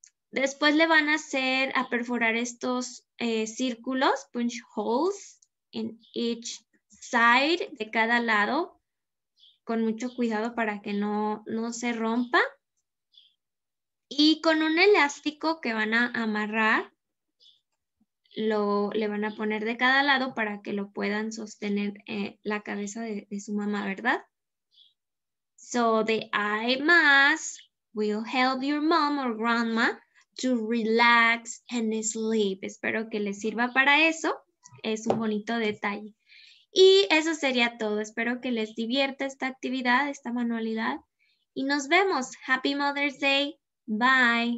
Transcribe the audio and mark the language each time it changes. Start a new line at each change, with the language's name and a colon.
Spanish: Después le van a hacer a perforar estos círculos,
English: punch holes in each side,
Spanish: de cada lado, con mucho cuidado para que no se rompa. Y con un elástico que van a amarrar, le van a poner de cada lado para que lo puedan sostener la cabeza de su mamá, ¿verdad?
English: So the eye mask will help your mom or grandma to relax and sleep.
Spanish: Espero que les sirva para eso. Es un bonito detalle. Y eso sería todo. Espero que les divierta esta actividad, esta manualidad. Y nos vemos.
English: Happy Mother's Day.
Spanish: Bye.